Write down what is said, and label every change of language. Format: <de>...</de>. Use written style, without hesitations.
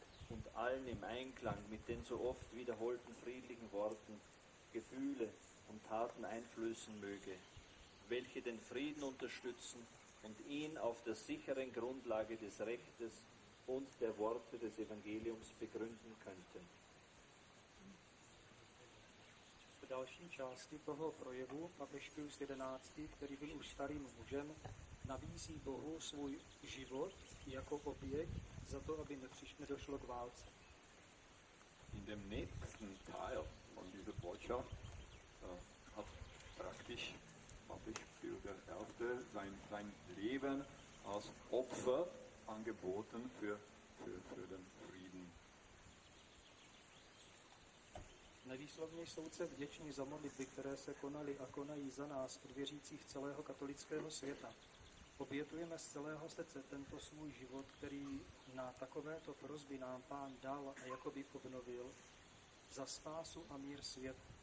<de>und allen im Einklang mit den so oft wiederholten friedlichen Worten, Gefühle und Taten einflößen möge, welche den Frieden unterstützen und ihn auf der sicheren Grundlage des Rechtes und der Worte des Evangeliums begründen könnten.</de> <cs>V další části toho projevu papež Pius XI, který byl už starým mužem, nabízí Bohu svůj život jako oběť za to, aby nedošlo k válce.</cs> <de>In dem nächsten Teil von dieser Botschaft hat praktisch papež Pius XI sein Leben als Opfer angeboten für den Frieden.</de> <cs>Nevýslovně jsou se vděční za modlitby, které se konaly a konají za nás od věřících celého katolického světa. Obětujeme z celého srdce tento svůj život, který na takovéto prosby nám Pán dal a jakoby obnovil, za spásu a mír svět.</cs>